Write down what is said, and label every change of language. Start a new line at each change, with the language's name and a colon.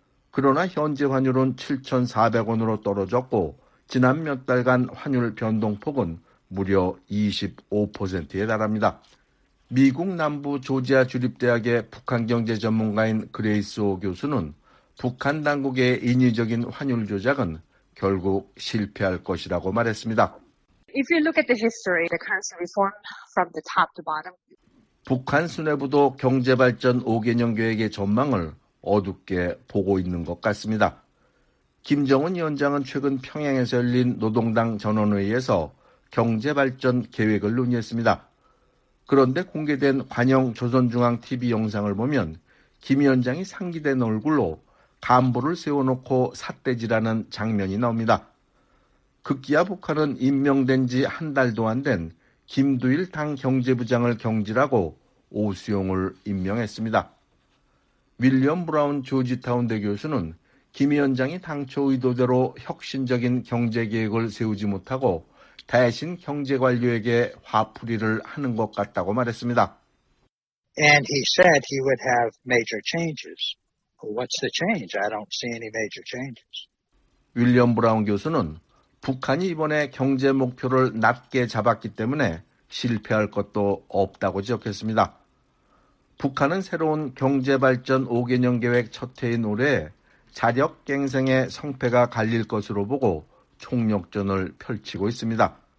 Korean: 그러나 현재 환율은 7,400원으로 떨어졌고 지난 몇 달간 환율 변동폭은 무려 25%에 달합니다. 미국 남부 조지아 주립대학의 북한 경제 전문가인 그레이스 오 교수는 북한 당국의 인위적인 환율 조작은 결국 실패할 것이라고 말했습니다.
English: If you look at the history, the currency reform from the top to bottom.
Korean: 북한 수뇌부도 경제발전 5개년 계획의 전망을 어둡게 보고 있는 것 같습니다. 김정은 위원장은 최근 평양에서 열린 노동당 전원회의에서 경제발전 계획을 논의했습니다. 그런데 공개된 관영 조선중앙TV 영상을 보면 김 위원장이 상기된 얼굴로 간부를 세워놓고 삿대질하는 장면이 나옵니다. 급기야 북한은 임명된 지 한 달도 안 된 김두일 당 경제부장을 경질하고 오수용을 임명했습니다. 윌리엄 브라운 조지타운대 교수는 김 위원장이 당초 의도대로 혁신적인 경제계획을 세우지 못하고 대신 경제관료에게 화풀이를 하는 것 같다고 말했습니다.
English: And he said he would have major changes. What's the change? I don't see any major changes.
Korean: 윌리엄 브라운 교수는 북한이 이번에 경제 목표를 낮게 잡았기 때문에 실패할 것도 없다고 지적했습니다. 북한은 새로운 경제발전 5개년 계획 첫 해인 올해 자력갱생의 성패가 갈릴 것으로 보고 총력전을 펼치고 있습니다.